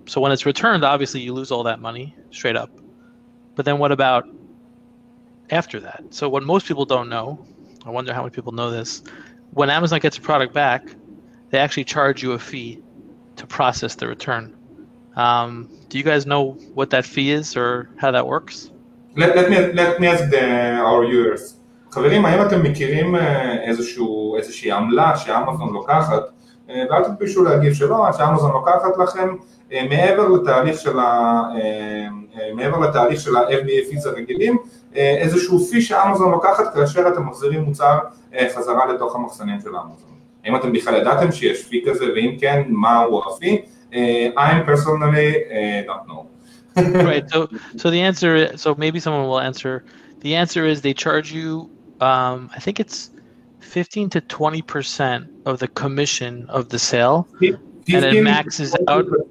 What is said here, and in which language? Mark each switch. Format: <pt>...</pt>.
<en>So when it's returned, obviously you lose all that money straight up. But then what about after that? So what most people don't know, I wonder how many people know this, when Amazon gets a product back, they actually charge you a fee to process the return. Do you guys know what that fee is or how that works? Let me ask our viewers.</en> <he>חברים, האם אתם מכירים איזושהי עמלה שאמזון לוקחת? ואל תתפישו להגיב שלא, שאמזון לוקחת לכם מעבר לתהליך של ה-FBA פיז הרגילים, איזשהו פי שאמזון לוקחת כאשר אתם מחזירים מוצר חזרה לתוך המחסנים של אמזון. האם אתם בכלל ידעתם שיש פי כזה, ואם כן, מה הוא הפי?</he> <en>I'm personally don't know. Right, so the answer, so maybe someone will answer. The answer is they charge you, I think it's 15 to 20% of the commission of the sale. And it maxes out</en>